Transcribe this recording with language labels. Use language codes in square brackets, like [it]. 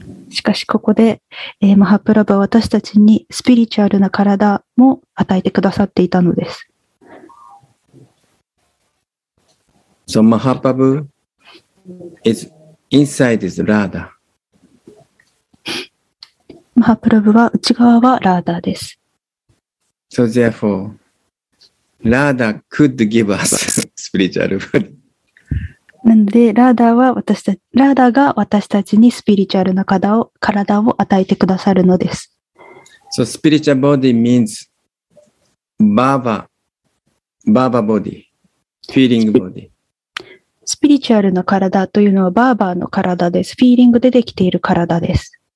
[ja] しかしここで、マハプラブは私たちにスピリチュアルな体も与えてくださっていたのです。 [en] So Mahaprabhu is inside is Radha. [ja] マハプラブは内側はラーダーです。 [en] So therefore, Radha could give us spiritual body. [ja] なのでラーダーは私たちラーダーが私たちにスピリチュアルな体を与えてくださるのです。 [en] So spiritual body means Baba body, feeling body. [ja] スピリチュアルな体というのはバーバーの体です。フィーリングでできている体です。